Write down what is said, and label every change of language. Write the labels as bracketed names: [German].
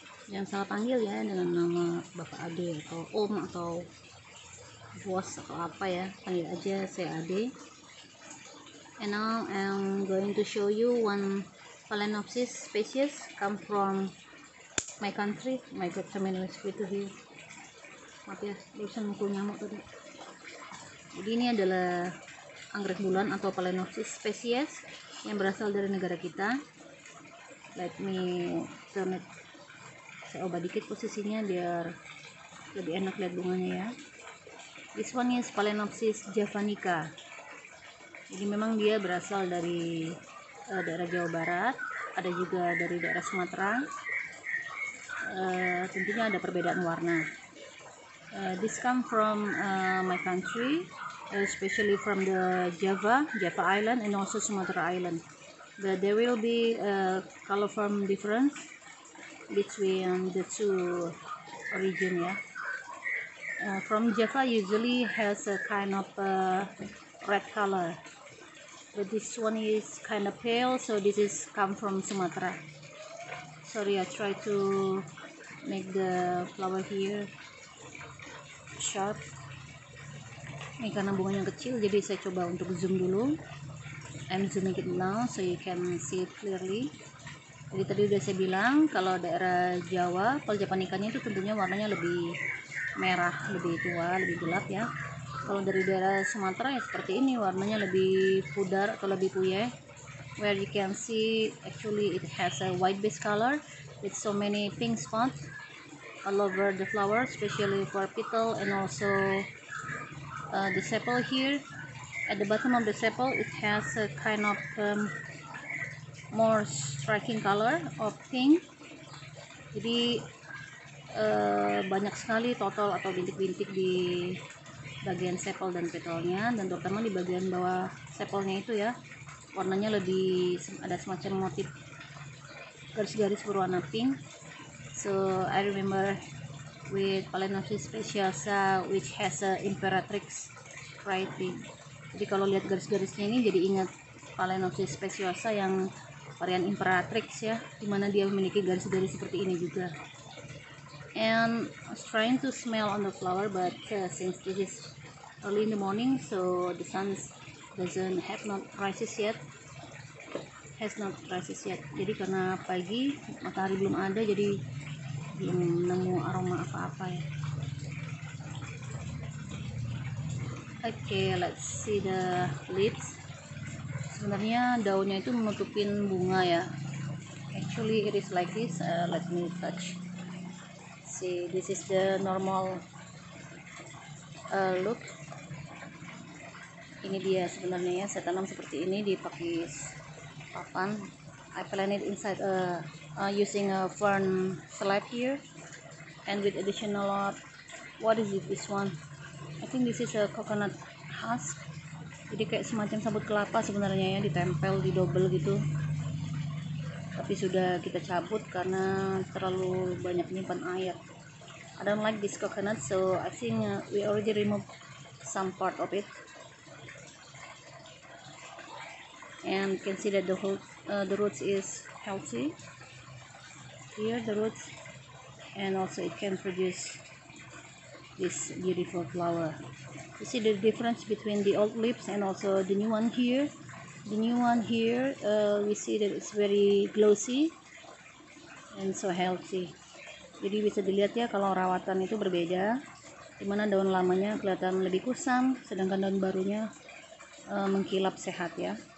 [Indonesian] Jangan salah panggil ya dengan nama Bapak Ade atau Om atau Bos atau apa ya. Panggil aja saya Ade. [English] And now I'm going to show you one Phalaenopsis species come from my country. My good terminus with you. [Indonesian] Maaf ya, barusan mukul nyamuk tadi. Jadi ini adalah anggrek bulan atau Phalaenopsis species yang berasal dari negara kita. [English] Let me turn it, [Indonesian] saya ubah dikit posisinya biar lebih enak lihat bunganya ya. [English] This one is Phalaenopsis javanica. [Indonesian] Jadi memang dia berasal dari daerah Jawa Barat, ada juga dari daerah Sumatera. Tentunya ada perbedaan warna. [English] This come from my country, especially from the Java Island and also Sumatera Island. But there will be a color form difference between the two region, yeah. From Java usually has a kind of red color, but this one is kind of pale, so this is come from Sumatera. Sorry, I try to make the flower here sharp. [Indonesian] Ini karena bunganya kecil, jadi saya coba untuk zoom dulu. [English] I'm zooming it now so you can see it clearly. [Indonesian] Jadi tadi udah saya bilang kalau daerah Jawa, kalau javanicanya itu tentunya warnanya lebih merah, lebih tua, lebih gelap ya. Kalau dari daerah Sumatera ya seperti ini, warnanya lebih pudar atau lebih puyeh. [English] Where you can see actually it has a white base color with so many pink spots all over the flower, especially for petal and also the sepal here. At the bottom of the sepal, it has a kind of more striking color of pink. [Indonesian] Jadi banyak sekali total atau bintik-bintik di bagian sepal dan petalnya, dan terutama di bagian bawah sepalnya itu ya, warnanya lebih ada semacam motif garis-garis berwarna pink. [English] So I remember with Phalaenopsis speciosa which has a imperatrix writing. [Indonesian] Jadi kalau lihat garis-garisnya ini jadi ingat Phalaenopsis speciosa yang varian imperatrix ya, dimana dia memiliki garis-garis seperti ini juga. [English] And I was trying to smell on the flower, but since this is early in the morning, so the sun has not risen yet. [Indonesian] Jadi karena pagi matahari belum ada, jadi belum nemu aroma apa-apa ya. [English] Okay, let's see the leaves. [Indonesian] Sebenarnya daunnya itu menutupin bunga ya. [English] Actually it is like this. Let me touch. See, this is the normal look. [Indonesian] Ini dia sebenarnya ya, saya tanam seperti ini di pakai papan. [English] I planted inside using a fern slab here and with additional what is it, this one? I think this is a coconut husk. [Indonesian] Jadi kayak semacam sabut kelapa sebenarnya ya, ditempel, didobel gitu. Tapi sudah kita cabut karena terlalu banyak menyimpan air. [English] I don't like this coconut, so I think we already removed some part of it. And you can see that the roots is healthy. Here the roots, and also it can produce this beautiful flower. You see the difference between the old leaves and also the new one here. The new one here, we see that it's very glossy and so healthy. [Indonesian] Jadi bisa dilihat ya kalau rawatan itu berbeda, dimana daun lamanya kelihatan lebih kusam, sedangkan daun barunya mengkilap sehat ya.